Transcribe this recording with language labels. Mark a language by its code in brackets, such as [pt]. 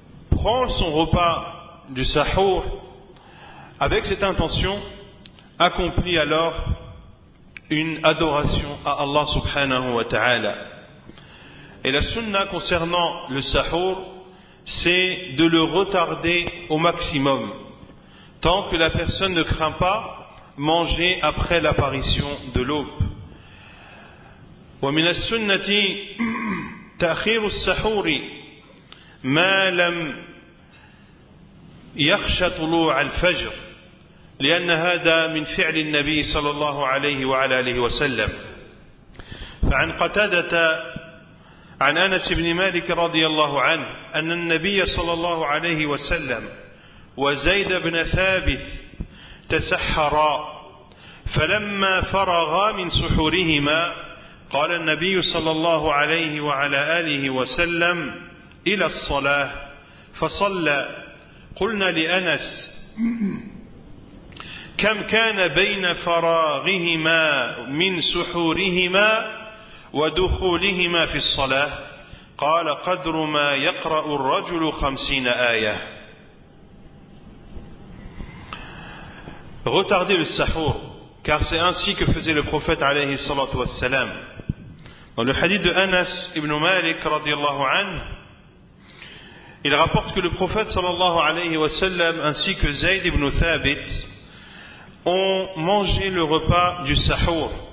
[fr] prend son repas du sahur avec cette intention, accomplit alors une adoration à Allah subhanahu wa ta'ala. Et la sunna concernant le sahur, c'est de le retarder au maximum, tant que la personne ne craint pas manger après l'apparition de l'aube. [ar] ومن السنة تأخير السحور ما لم يخش طلوع الفجر لأن هذا من فعل النبي صلى الله عليه وعلى آله وسلم فعن قتادة عن أنس بن مالك رضي الله عنه أن النبي صلى الله عليه وسلم وزيد بن ثابت تسحرا فلما فرغا من سحورهما قال النبي صلى الله عليه وعلى آله وسلم إلى الصلاة فصلى قلنا لأنس كم كان بين فراغهما من سحورهما ودخولهما في الصلاة قال قدر ما يقرأ الرجل 50 آية. [fr] Retarder le sahur, car c'est ainsi que faisait le prophète [ar] عليه الصلاة والسلام. [fr] Dans le hadith de Anas ibn Malik radiallahu anhu, il rapporte que le prophète sallallahu alayhi wa sallam ainsi que Zayd ibn Thabit ont mangé le repas du sahur.